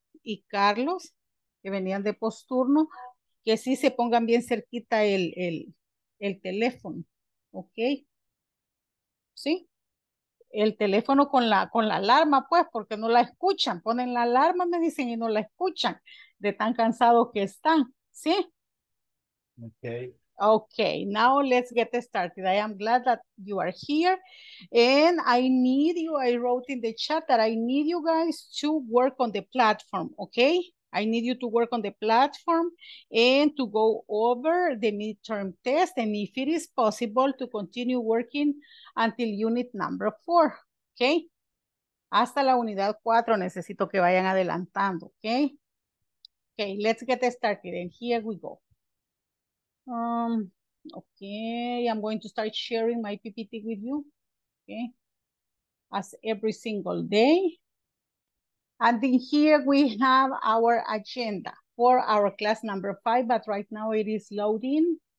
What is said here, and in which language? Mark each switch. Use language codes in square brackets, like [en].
[es] Y Carlos, que venían de posturno, que sí se pongan bien cerquita el teléfono, ¿ok? Sí, el teléfono con la alarma, pues, porque no la escuchan, ponen la alarma, me dicen, y no la escuchan, de tan cansado que están, ¿sí? [en] Okay. Okay, now let's get started. I am glad that you are here. And I need you, I wrote in the chat that I need you guys to work on the platform, okay? I need you to work on the platform and to go over the midterm test and if it is possible to continue working until unit number four, okay? [es] Hasta la unidad cuatro, necesito que vayan adelantando, okay? [en] Okay, let's get started and here we go. Okay, I'm going to start sharing my PPT with you. Okay, as every single day. And in here we have our agenda for our class number five, but right now it is loading.